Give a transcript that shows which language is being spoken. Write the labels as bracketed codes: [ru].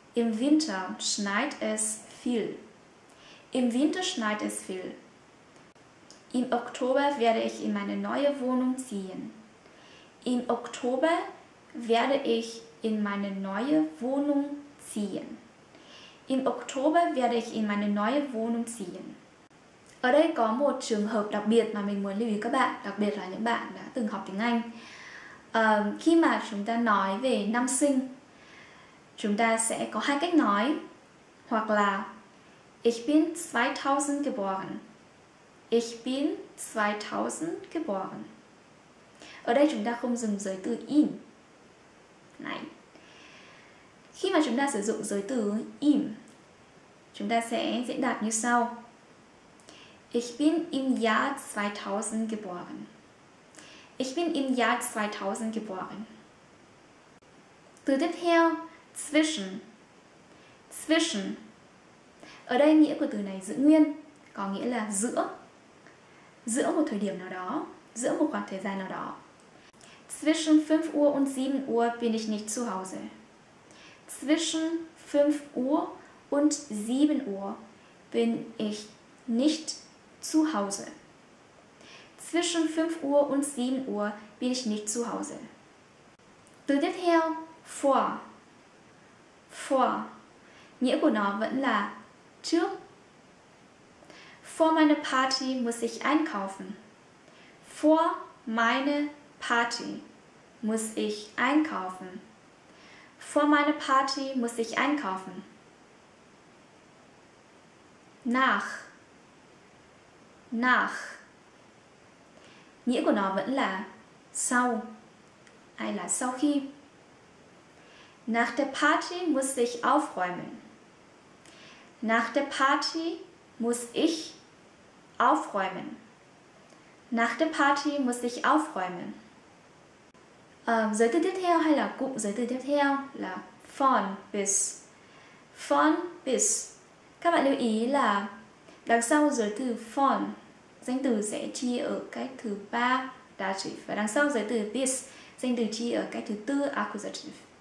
[de] Im Winter schneit es viel. Im Winter schneit es viel. Im Oktober werde ich in meine neue Wohnung ziehen. Im Oktober werde ich in meine neue Wohnung ziehen. Im Oktober werde ich in meine neue Wohnung ziehen. [vi] Ở đây có một trường hợp đặc biệt mà mình muốn lưu ý các bạn, đặc biệt là những bạn đã từng học tiếng Anh. Khi mà chúng ta nói về năm sinh, chúng ta sẽ có hai cách nói, hoặc là [de] Ich bin 2000 geboren. Ich bin 2000 geboren. [vi] Ở đây chúng ta không dùng giới từ in. Này. Khi mà chúng ta sử dụng giới từ im, chúng ta sẽ diễn đạt như sau. [de] Ich bin im Jahr 2000 geboren. Ich bin im Jahr 2000 geboren. [vi] Từ tiếp theo, zwischen. Zwischen. Ở đây nghĩa của từ này giữ nguyên, có nghĩa là giữa. Giữa một thời điểm nào đó, giữa một khoảng thời gian nào đó. [de] Zwischen 5 Uhr und 7 Uhr bin ich nicht zu Hause. Zwischen 5 Uhr und 7 Uhr bin ich nicht zu Hause. Zwischen 5 Uhr und 7 Uhr bin ich nicht zu Hause. [vi] Từ tiếp theo, vor. Vor. Nghĩa của nó vẫn là trước. [de] Vor meiner Party muss ich einkaufen. Vor meiner Party muss ich einkaufen. Vor meiner Party muss ich einkaufen. [vi] Nach. Nach. Nghĩa của nó vẫn là sau. Hay là sau khi. [de] Nach der Party muss ich aufräumen. Nach der Party muss ich aufräumen. Nach der Party muss ich aufräumen. [vi] Giới từ tiếp theo hay là cụm giới từ tiếp theo là von bis. Von bis. Các bạn lưu ý là đằng sau giới từ von, danh từ sẽ chi ở cách thứ 3 dative, và đằng sau giới từ bis, danh từ chi ở cách thứ 4 accusative.